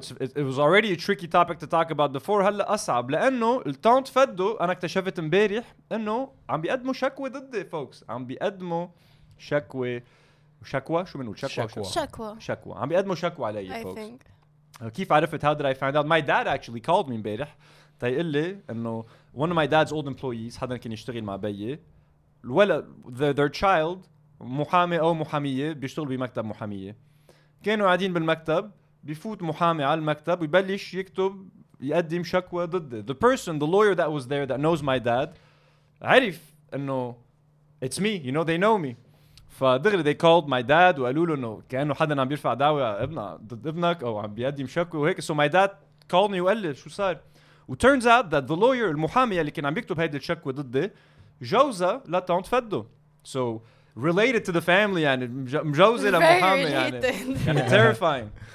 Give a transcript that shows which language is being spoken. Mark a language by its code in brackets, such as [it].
[en] It was already a tricky topic to talk about before. [ar] هلا أصعب لأنه التانت فدو أنا اكتشفت امبارح إنه عم بيقدموا شكوى ضدي, folks. عم بيقدموا شكوى. شكوى شو منقول شكوى عم بيقدموا شكوى علي folks. كيف عرفت؟ [en] How did I find out? My dad actually called me [ar] امبارح تيقول لي انه [en] one of my dad's old employees [ar] حدا كان يشتغل مع بيي الولد their child محامي او محاميه بيشتغل بمكتب محاميه كانوا قاعدين بالمكتب بفوت محامي على المكتب ويبلش يكتب يقدم شكوى ضده. [en] The person, the lawyer that was there that knows my dad [ar] عرف انه [en] it's me, you know, they know me. [ar] فدغري they called my dad وقالوا له انه كانه حدا عم بيرفع دعوه ضد ابنك او عم بيقدم شكوى وهيك. [en] So my dad called me [ar] وقال لي شو صار. و [en] turns out that the lawyer [ar] المحامي اللي كان عم بيكتب هيدي الشكوى ضده جوزة لا تانت فدو. [en] So related to the family [ar] يعني مجوزة لمحامي يعني [en] terrifying.